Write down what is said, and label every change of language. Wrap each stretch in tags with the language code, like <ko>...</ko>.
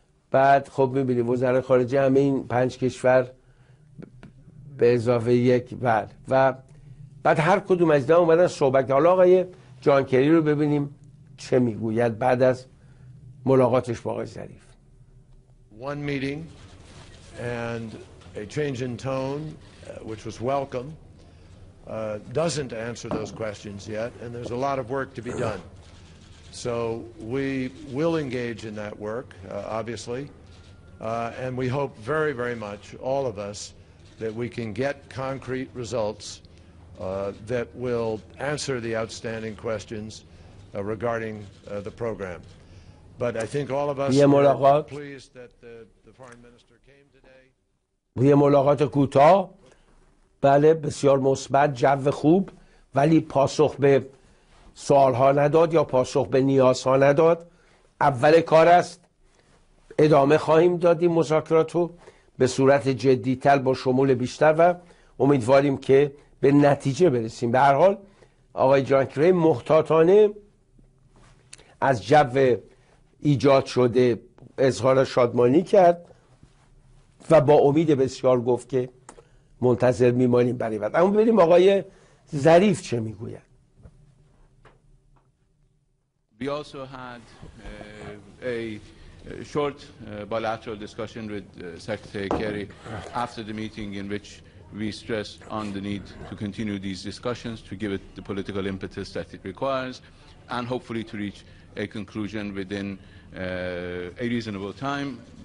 <fa>بعد خب میبینید وزرای خارجه همه این پنج کشور به اضافه یک بر، و بعد هر کدوم از دام اومدن صحبت. حالا آقای جان کری رو ببینیم چه میگوید بعد از ملاقاتش با آقای ظریف.</fa> <en>One meeting and a change in tone which was welcome doesn't answer those questions yet, and there's a lot of work to be done. So we will engage in that work, obviously, and we hope very, very much, all of us, that we can get concrete results that will answer the outstanding questions regarding the program. But I think all of us are pleased that the foreign minister came today.</en> <fa>یه ملاقات کوتاه، بله بسیار مثبت، جو خوب، ولی پاسخ به سوال ها نداد یا پاسخ به نیاز ها نداد. اول کار است، ادامه خواهیم داد این مذاکرات رو به صورت جدی تر با شمول بیشتر و امیدواریم که به نتیجه برسیم. به هر حال آقای جان کری محتاطانه از جو ایجاد شده اظهار شادمانی کرد و با امید بسیار گفت که منتظر میمانیم برای بعد. اما ببینیم آقای ظریف چه میگوید.</fa> <en>We also had a short bilateral discussion with Secretary Kerry after the meeting in which we stressed on the need to continue these discussions to give it the political impetus that it requires and hopefully to reach a conclusion within a reasonable time.</en>